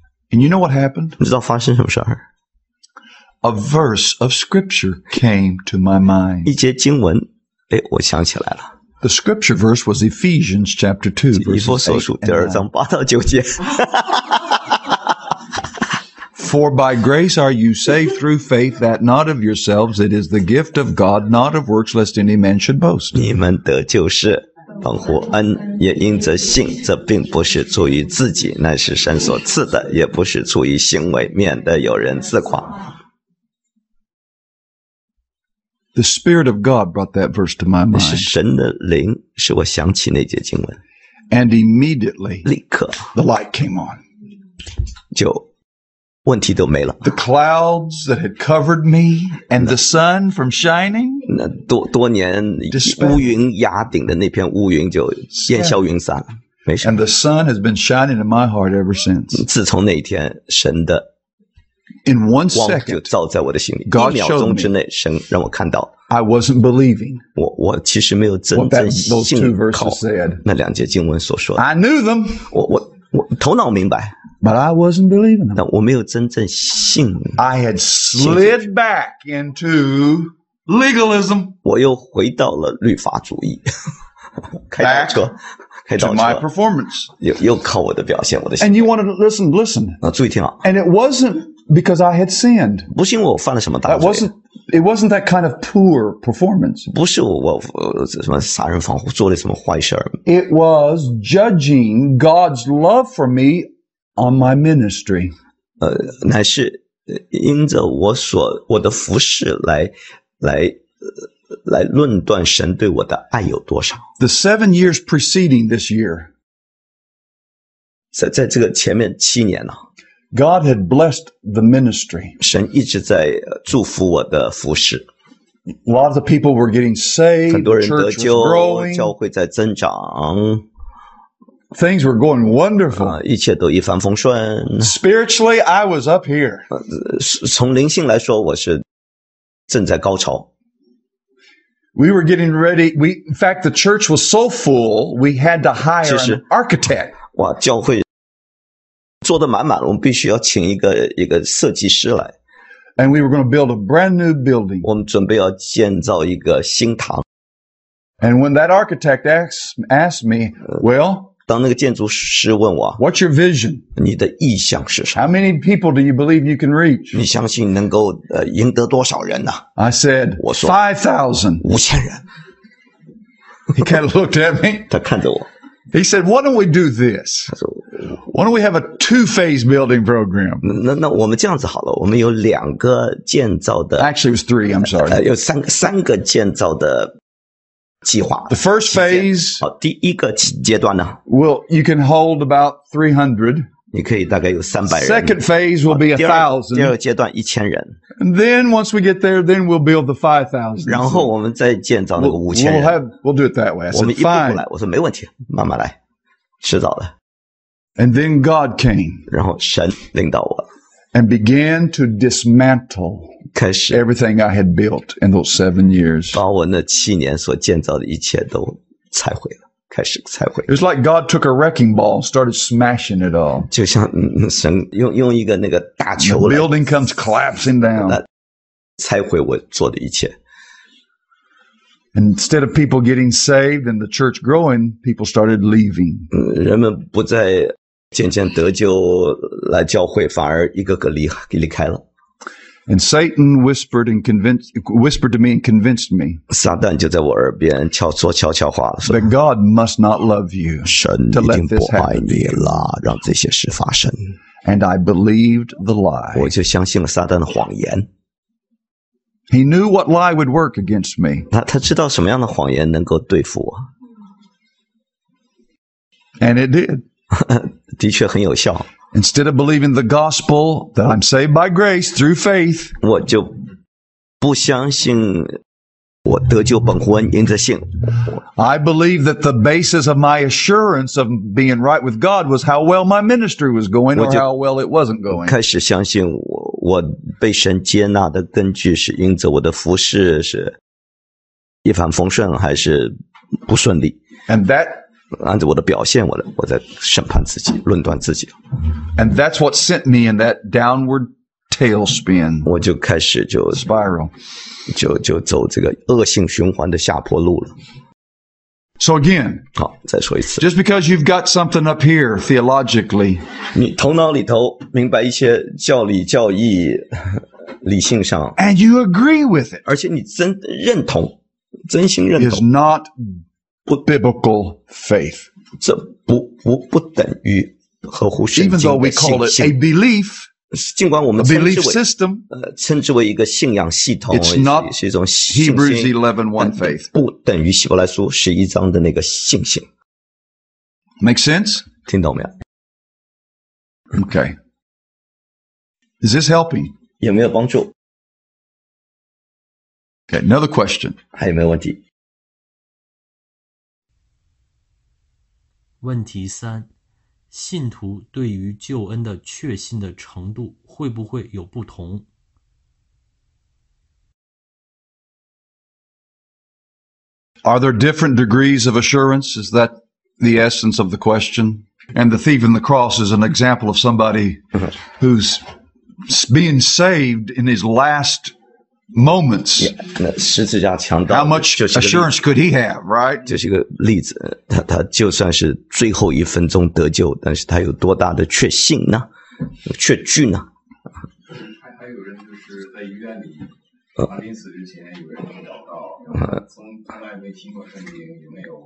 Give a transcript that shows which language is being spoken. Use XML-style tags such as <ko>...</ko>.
<en>And you know what happened?</en> <zh>你知道发生什么事儿？</zh> <en>A verse of scripture came to my mind.</en> <zh>一节经文，哎，我想起来了。</zh> <en>The scripture verse was Ephesians chapter 2, verses 8 and 9.</en> <zh>以弗所书第二章八到九节。</zh> <en>For by grace are you saved through faith, that not of yourselves, it is the gift of God, not of works, lest any man should boast.</en> <zh>你们得救是本乎恩，也因着信，这并不是出于自己，乃是神所赐的，也不是出于行为，免得有人自夸。</zh> <en>The Spirit of God brought that verse to my mind.</en> <zh>是神的灵使我想起那节经文。</zh> <en>And immediately,</en> <zh>立刻</zh> <en>the light came on.</en> <zh>就问题都没了。</zh> <en>The clouds that had covered me and the sun from shining.</en> <zh>那多年乌云压顶的那片乌云就烟消云散了，没事。</zh> <en>And the sun has been shining in my heart ever since.</en> <zh>自从那一天，神的光就照在我的心里。一秒钟之内，神让我看到。</zh> <en>I wasn't believing.</en> <zh>我其实没有真正信靠那两节经文所说的。</zh> <en>I knew them.</en> <zh>我头脑明白。</zh> <en>But I wasn't believing them.</en> <zh>但我没有真正信。</zh> <en>I had slid back into legalism.</en> <zh>我又回到了律法主义。开倒车，开倒车。</zh> <en>To my performance.</en> <zh>又靠我的表现，我的。</zh> <en>And you wanted to listen.</en> <zh>啊，注意听啊。</zh> <en>And it wasn't because I had sinned.</en> <zh>不是因为我犯了什么大罪。</zh> <en>It wasn't that kind of poor performance.</en> <zh>不是我什么杀人放火，做了什么坏事。</zh> <en>It was judging God's love for me. On my ministry,</en> <zh>乃是因着我的服事来论断神对我的爱有多少。</zh> <en>The 7 years preceding this year,</en> <zh>在这个前面七年呢</zh> <en>，God had blessed the ministry.</en> <zh>神一直在祝福我的服事。</zh> <en>A lot of the people were getting saved.</en> <zh>很多人得救，教会在增长。</zh> <en>Things were going wonderful.</en> <zh>一切都一帆风顺。</zh> <en>Spiritually, I was up here.</en> <zh>从灵性来说，我是正在高潮。</zh> <en>We were getting ready. In fact, the church was so full, we had to hire an architect.</en> <zh>哇，教会做得满满了，我们必须要请一个设计师来。</zh> <en>And we were going to build a brand new building.</en> <zh>我们准备要建造一个新堂。</zh> <en>And when that architect asked me, well,</en> <zh>当那个建筑师问我</zh> <en>，What's your vision？</en> <zh>你的意向是什么</zh> <en>？How many people do you believe you can reach？</en> <zh>你相信能够赢得多少人呢</zh> <en>？I said，</en> <zh>我说</zh> <en>5,000，</en> <zh>五千人。</zh> <en>He kind of looked at me。</en> <zh>他看着我。</zh> <en>He said， Why don't we do this？</en> <zh>他说，</zh> <en>Why don't we have a two-phase building program？</en> <zh>那我们这样子好了，我们有两个建造的。</zh> <en>Actually, it was three. I'm sorry。</en> <zh>有三个建造的。计划</zh> <en>The first phase.</en> <zh>好，第一个阶段呢</zh> <en>？Well, you can hold about 300.</en> <zh>你可以大概有300人。</zh> <en>Second phase will be 1,000.</en> <zh>第二阶段1,000人。</zh> <en>And then once we get there, then we'll build the 5,000.</en> <zh>然后我们再建造那个5,000人。</zh> <en>We'll do it that way. I said,</en> <zh>我们一步步来。我说没问题，慢慢来，迟早的。</zh> <en>And then God came.</en> <zh>然后神领导我。</zh> <en>And began to dismantle.</en> <zh>开始</zh> <en>everything I had built in those 7 years.</en> <zh>把我那七年所建造的一切都拆毁了，开始拆毁。</zh> <en>It was like God took a wrecking ball, started smashing it all.</en> <zh>就像神用一个那个大球来。</zh> <en>The building comes collapsing down.</en> <zh>拆毁我做的一切。</zh> <en>Instead of people getting saved and the church growing, people started leaving.</en> <zh>人们不再渐渐得救来教会，反而一个个离开了。</zh> <en>And Satan whispered to me and convinced me.</en> <zh>撒旦就在我耳边说悄悄话了。</zh> <en>That God must not love you.</en> <zh>神已经不爱你了，让这些事发生。</zh> <en>And I believed the lie.</en> <zh>我就相信了撒旦的谎言。</zh> <en>He knew what lie would work against me.</en> <zh>他知道什么样的谎言能够对付我。</zh> <en>And it did.</en> <zh>的确很有效。</zh> <en>Instead of believing the gospel that I'm saved by grace through faith,</en> <zh>我就不相信我得救本乎恩，因着信。</zh> <en>I believe that the basis of my assurance of being right with God was how well my ministry was going or how well it wasn't going.</en> <zh>开始相信我被神接纳的根据是因着我的服事是一帆风顺还是不顺利。</zh> <en>And that,</en> <zh>按着我的表现我在审判自己论断自己。</zh> <en>And that's what sent me in that downward tailspin.</en> <zh>我就开始就</zh> <en>spiral.</en> <zh>就走这个恶性循环的下坡路了。</zh> <en>So again,</en> <zh>好，再说一次。</zh> <en>Just because you've got something up here theologically,</en> <zh>你头脑里头明白一些教理教义理性上</zh> <en>and you agree with it,</en> <zh>而且你真认同真心认同</zh> <en>is not biblical faith.</en> <zh>这不等于合乎圣经的信心。</zh> <en>Even though we call it a belief,</en> <zh>尽管我们称之为</zh> <en>a system,</en> <zh>称之为一个信仰系统</zh> <en>it's not</en> <zh>是一种信心</zh> <en>Hebrews 11:1 faith</en> <zh>不等于希伯来书十一章的那个信心</zh> <en>Make sense?</en> <zh>听懂没有</zh> <en>Okay Is this helping?</en> <zh>有没有帮助</zh> <en>Okay, another question</en> <zh>还有没有问题问题三信徒对于救恩的确信的程度会不会有不同</zh> <en>Are there different degrees of assurance? Is that the essence of the question? And the thief in the cross is an example of somebody who's being saved in his last moments. How much assurance could he have, right?</en> <zh>就是一个例子，他就算是最后一分钟得救，但是他有多大的确信呢？确据呢？还有人就是在医院里，临死之前有人祷告，从来没听过圣经，也没有。</zh>